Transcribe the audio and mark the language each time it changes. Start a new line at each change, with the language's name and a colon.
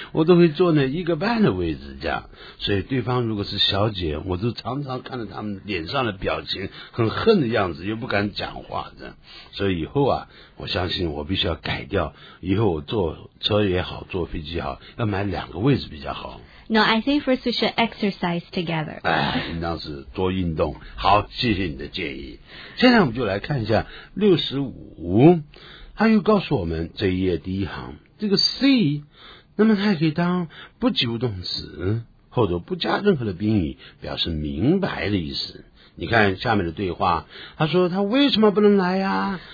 Chinese: 我都会坐那一个半的位置这样。所以对方如果是小姐，我都常常看到他们脸上的表情很恨的样子，又不敢讲话的。所以以后啊，我相信我必须要改掉，以后我坐车也好，坐飞机也好，要买两个位置比较好。
English: No, I think first we should exercise together.
Chinese: 应当是多运动。好，谢谢你的建议。现在我们就来看一下65，他又告诉我们这一页第一行，这个 C, 那么它可以当不及物动词，或者不加任何的宾语，表示明白的意思。你看下面的对话，他说他为什么不能来呀？